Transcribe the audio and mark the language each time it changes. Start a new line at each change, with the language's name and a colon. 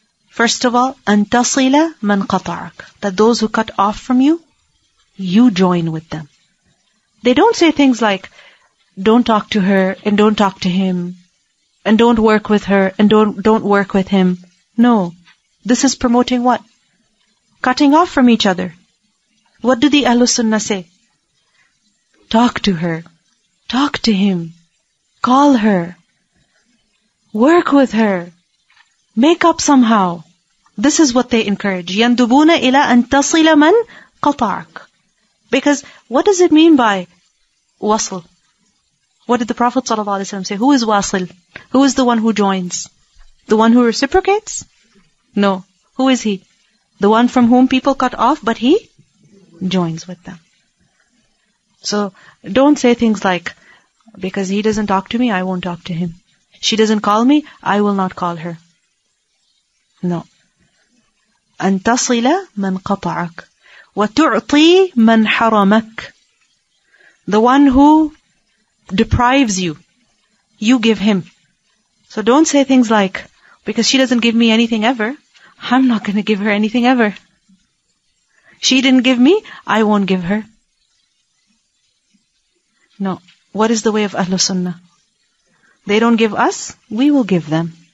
English: First of all,
Arabic: أن تصل من قطعك.
English: That those who cut off from you, you join with them. They don't say things like, don't talk to her, and don't talk to him, and don't work with her, and don't work with him. No. This is promoting what? Cutting off from each other. What do the Ahlus-Sunnah say? Talk to her. Talk to him. Call her. Work with her. Make up somehow. This is what they encourage.
Arabic: يَنْدُبُونَ إِلَىٰ أَن تَصِلَ مَنْ قَطَعَكَ
English: Because what does it mean by wasl? What did the Prophet ﷺ say? Who is wasl? Who is the one who joins? The one who reciprocates? No. Who is he? The one from whom people cut off, but he joins with them. So, don't say things like, because he doesn't talk to me, I won't talk to him. She doesn't call me, I will not call her. No.
Arabic: أن تصل من قطعك وتعطي من حرمك
English: The one who deprives you, you give him. So don't say things like, because she doesn't give me anything ever, I'm not going to give her anything ever. She didn't give me, I won't give her. No. What is the way of AhlusSunnah? They don't give us, we will give them.